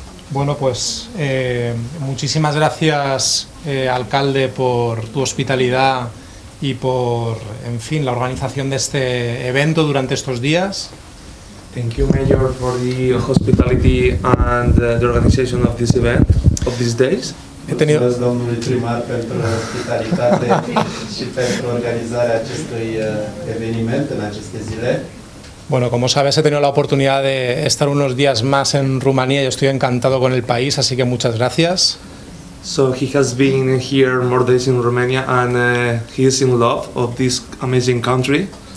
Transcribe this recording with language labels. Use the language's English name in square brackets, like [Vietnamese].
[Spanish] Bueno, pues muchísimas gracias, alcalde, por tu hospitalidad y por, en fin, la organización de este evento durante estos días. [English] Thank you, Mayor, for the hospitality and the organization of this event, of these days. [Spanish] He tenido... [Romanian] Mulțumesc, domnului primar, pentru hospitalitate și pentru organizarea acestui eveniment în aceste zile. [Spanish] Bueno, como sabes, he tenido la oportunidad de estar unos días más en Rumanía y estoy encantado con el país, así que muchas gracias. [English] So he has been here more days in Romania and he is in love of this amazing country.